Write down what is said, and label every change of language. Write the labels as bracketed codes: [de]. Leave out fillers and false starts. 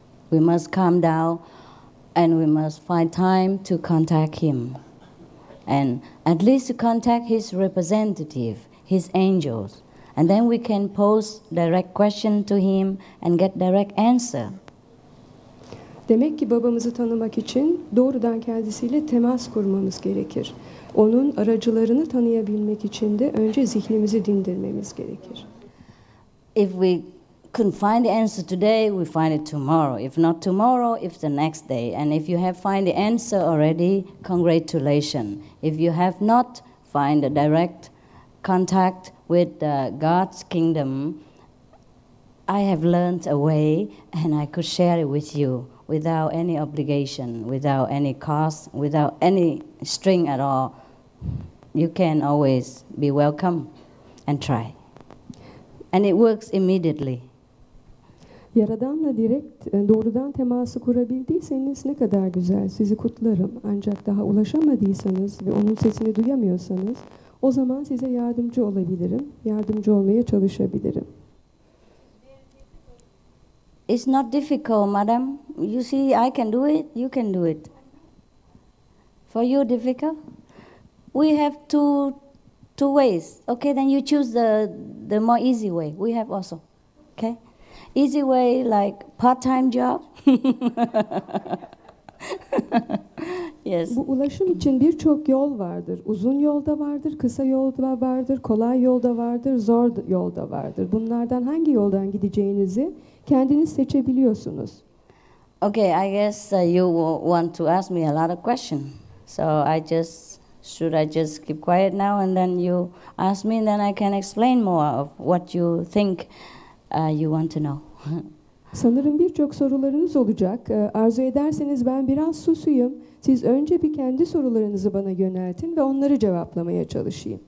[en] We must calm down and we must find time to contact him. And at least to contact his representative, his angels. And then we can pose direct question to him and get direct answer. [tr] Demek ki babamızı tanımak için doğrudan kendisiyle temas kurmamız gerekir. Onun aracılarını tanıyabilmek için de önce zihnimizi dindirmemiz gerekir. [en] If we can find the answer today, we find it tomorrow. If not tomorrow, if the next day. And if you have find the answer already, congratulations. If you have not find a direct contact with God's kingdom, I have learned a way and I could share it with you. Without any obligation, without any cost, without any string at all, you can always be welcome and try. And it works immediately. [tr] Yaradan'la direkt, doğrudan teması kurabildiyseniz ne kadar güzel, sizi kutlarım. Ancak daha ulaşamadıysanız ve onun sesini duyamıyorsanız, o zaman size yardımcı olabilirim, yardımcı olmaya çalışabilirim. [en] It's not difficult, madam. You see, I can do it, you can do it. For you, difficult? We have two ways. Okay, then you choose the more easy way. We have also, okay? Easy way, like part-time job. Yes. [tr] Bu ulaşım için birçok yol vardır. Uzun yolda vardır, kısa yolda vardır, kolay yolda vardır, zor yolda vardır. Bunlardan hangi yoldan gideceğinizi kendiniz seçebiliyorsunuz. [en] Okay, I guess you want to ask me a lot of questions. So should I just keep quiet now and then you ask me and then I can explain more of what you think you want to know. [tr] Sanırım birçok sorularınız olacak. Arzu ederseniz ben biraz susayım. Siz önce bir kendi sorularınızı bana yöneltin ve onları cevaplamaya çalışayım.